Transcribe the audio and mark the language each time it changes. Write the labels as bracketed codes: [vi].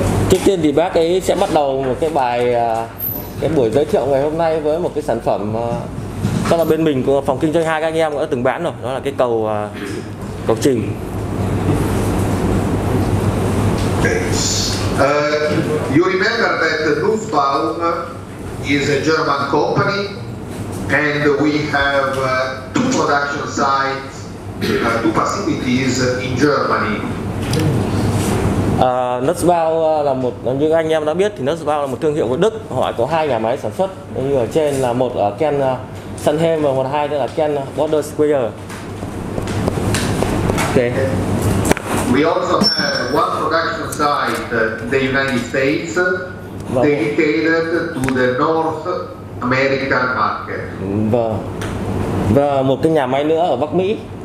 [vi] Trước tiên thì bác ấy sẽ bắt đầu một cái bài cái buổi giới thiệu ngày hôm nay với một cái sản phẩm đó là bên mình của phòng kinh doanh hai các anh em đã từng bán rồi, đó là cái cầu cầu trình. [en] Okay. You remember that Lusbau is a German company and we have two production sites, two facilities in Germany. [vi] Lusbau là một, như anh em đã biết thì Lusbau là một thương hiệu của Đức. Họ có hai nhà máy sản xuất, như ở trên là một ở Ken Sunheim và một hai nữa là Ken Border Square. [en] Okay. We also have one production site in the United States, vâng, dedicated to the North American market. [vi] Vâng. Và một cái nhà máy nữa ở Bắc Mỹ.